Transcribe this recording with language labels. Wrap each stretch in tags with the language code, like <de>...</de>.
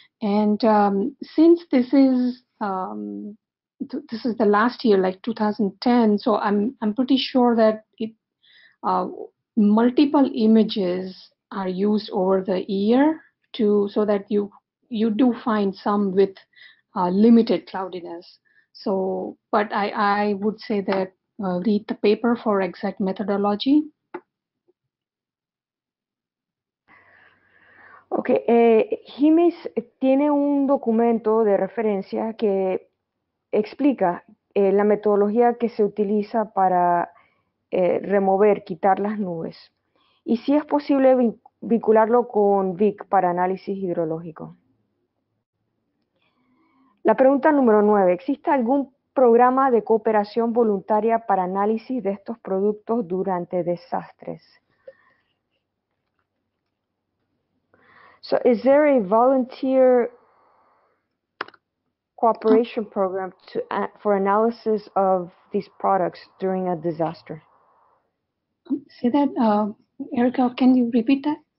<en>And since this is the last year, like 2010, so I'm pretty sure that it multiple images are used over the year so that you do find some with limited cloudiness. So, but I would say that read the paper for exact methodology.</en> <es>Ok, GMIS tiene un documento de referencia que explica la metodología que se utiliza para remover, quitar las nubes. Y si es posible vincularlo con VIC para análisis hidrológico. La pregunta número 9. ¿Existe algún programa de cooperación voluntaria para análisis de estos productos durante desastres?</es> <en>So, is there a volunteer cooperation program for analysis of these products during a disaster? Say that, Erica, can you repeat that?</en>